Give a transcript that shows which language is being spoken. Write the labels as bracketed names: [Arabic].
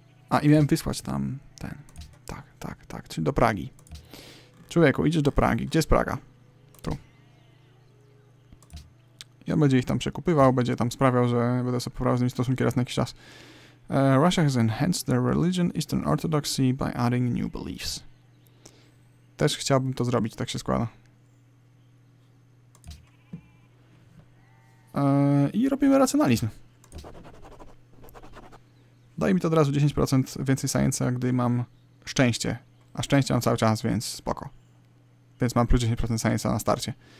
[Polish] A, i miałem wysłać tam ten. Tak, czyli do Pragi. Człowieku, idziesz do Pragi. Gdzie jest Praga? Tu. I on będzie ich tam przekupywał, będzie tam sprawiał, że będę sobie poprawiał z nimi stosunki raz na jakiś czas. [English] Russia has enhanced their religion, Eastern Orthodoxy, by adding new beliefs. [Polish] Też chciałbym to zrobić, tak się składa. I robimy racjonalizm. Daje mi to od razu 10% więcej science'a, gdy mam szczęście. A szczęście mam cały czas, więc spoko. Więc mam plus 10% science'a na starcie.